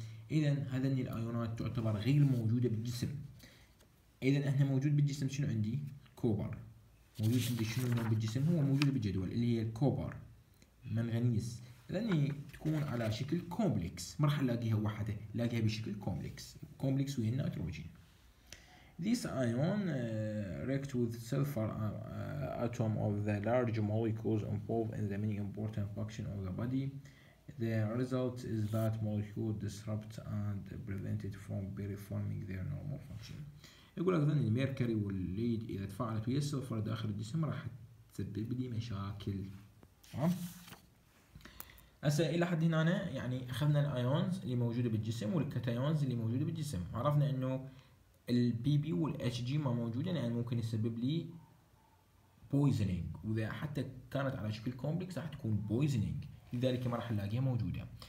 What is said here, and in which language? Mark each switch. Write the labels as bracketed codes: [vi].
[ar] اذا هذني الايونات تعتبر غير موجوده بالجسم. اذا احنا موجود بالجسم شنو عندي؟ كوبر موجود عندي. شنو موجود بالجسم؟ هو موجود بالجدول اللي هي الكوبر، منغنيز، لاني تكون على شكل كومبلكس، ما راح الاقيها وحده، الاقيها بشكل كومبلكس، كومبلكس ويا النيتروجين. [en] This ion react with sulfur atom of the large molecules involved in the many important function of the body. The result is that molecule disrupts and prevented from reforming their normal function. [ar] يقول لك ذن الميركوري والليد إذا تفاعلت ويا السلفر داخل الجسم راح تسبب لي مشاكل. هسه الى حد هنا يعني اخذنا الايونز اللي موجوده بالجسم والكاتايونز اللي موجوده بالجسم، عرفنا انه البي بي والاتش جي ما موجوده يعني ممكن يسبب لي بويزنينج، واذا حتى كانت على شكل كومبلكس راح تكون بويزنينج، لذلك ما راح نلاقيها موجوده.